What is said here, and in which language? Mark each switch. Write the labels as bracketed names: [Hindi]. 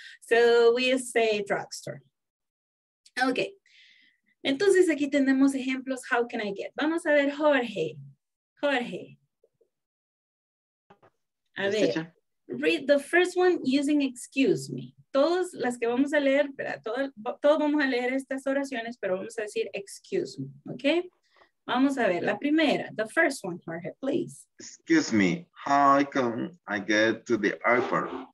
[English] So we say drugstore. Okay. [Spanish] Entonces aquí tenemos ejemplos, [English] how can I get? [Spanish] Vamos a ver Jorge. A ver, [English] read the first one using excuse me. [Spanish] Todas las que vamos a leer, todos vamos a leer estas oraciones, pero vamos a decir [English] excuse me, [Spanish] ¿ok? Vamos a ver, la primera, [English] the first one, [Spanish] Jorge, please. [English] Excuse me, how can I get to the airport?